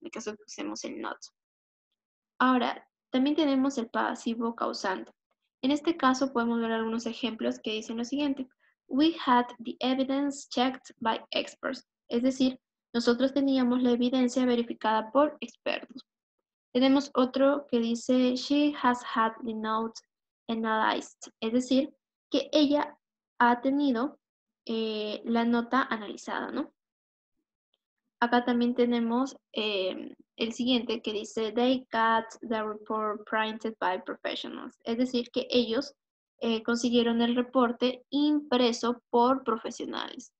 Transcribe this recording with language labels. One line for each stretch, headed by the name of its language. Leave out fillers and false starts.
Spanish: En caso que usemos el not. Ahora, también tenemos el pasivo causante. En este caso, podemos ver algunos ejemplos que dicen lo siguiente.
English: We had the evidence checked by experts.
Spanish: Es decir, nosotros teníamos la evidencia verificada por expertos. Tenemos otro que dice,
English: she has had the notes analyzed.
Spanish: Es decir, que ella ha tenido la nota analizada, ¿no? Acá también tenemos el siguiente que dice,
English: they got the report printed by professionals.
Spanish: Es decir, que ellos consiguieron el reporte impreso por profesionales.